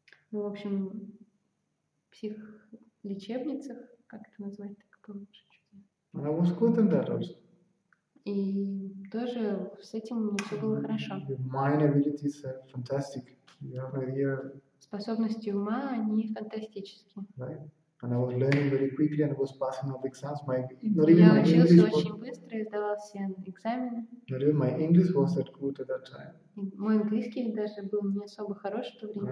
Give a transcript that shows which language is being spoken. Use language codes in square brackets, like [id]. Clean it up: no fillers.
[ru] Ну, в общем, психлечебницах, как это назвать, так получше чуть-чуть. [en] I was good in that also. [ru] И тоже с этим у меня все было хорошо. [en] Mind abilities are fantastic. You have an idea. [ru] Способности ума, они фантастические. [en] Right. And I was learning very quickly and was passing all the exams. My not even my English. [ru] Я учился очень быстро и сдавал все экзамены. [en] Not even my English was that good at that time. [ru] Мой английский даже был не особо хорош в то время.